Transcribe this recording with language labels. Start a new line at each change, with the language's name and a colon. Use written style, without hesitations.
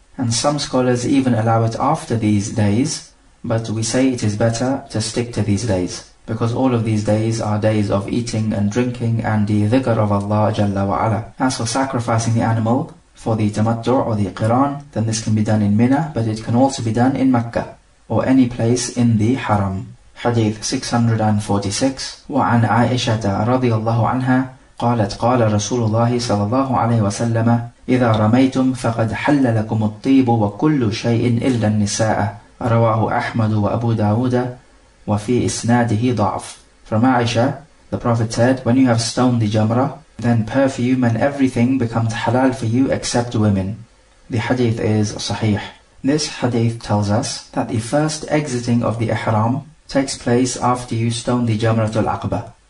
English: And some scholars even allow it after these days, but we say it is better to stick to these days, because all of these days are days of eating and drinking and the dhikr of Allah Jalla wa Ala. As for sacrificing the animal for the tamattu' or the qiran, then this can be done in Mina, but it can also be done in Mecca or any place in the haram. Hadith 646.
Arabic: وعن عائشة رضي الله عنها قالت قال رسول الله صلى الله عليه وسلم إذا رميتم فقد حل لكم الطيب وكل شيء إلا النساء. رواه أحمد وأبو داود وفي إسناده ضعف.
English: From Aisha, the Prophet said, when you have stoned the jamrah, then perfume and everything becomes halal for you except women. The hadith is sahih. This hadith tells us that the first exiting of the ihram takes place after you stone the Jamratul Aqaba.